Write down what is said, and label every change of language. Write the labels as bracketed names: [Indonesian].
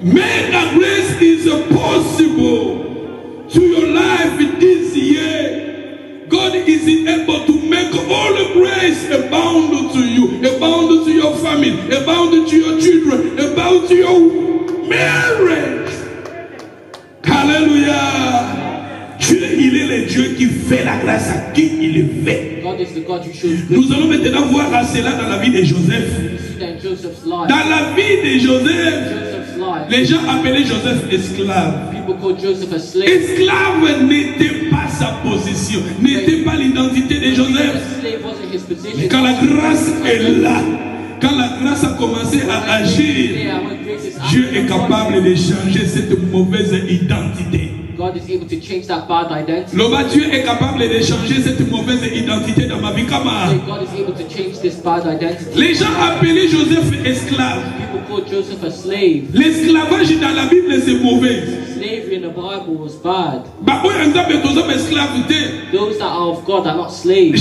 [English] Mega grace is possible to your life this year. God is able to make all the grace abound to you, abound to your family, abound to your children, abound to your marriage. Hallelujah. [French] Dieu, il est le Dieu qui fait la grâce à qui il le fait. [English] God is the God who shows grace. [French] Nous allons maintenant voir à cela dans la vie de Joseph. Dans la vie de Joseph, les gens appelaient Joseph esclave. [English] People called Joseph a slave. [French] Esclave n'était pas sa position, n'était pas l'identité de Joseph. Mais quand la grâce est là, quand la grâce a commencé à agir, Dieu est capable de changer cette mauvaise identité. [English] God is able to change that bad identity. [French] Loba Dieu est capable de changer cette mauvaise identité dans ma vie. Comment? [English] God is able to change this bad identity. [French] Les gens appelaient Joseph esclave. [English] People called Joseph a slave. [French] L'esclavage dans la Bible c'est mauvais. [English] Slavery in the Bible was bad. [French] Bah, oui, en fait, tous hommes esclaves. [English] Those that are of God are not slaves.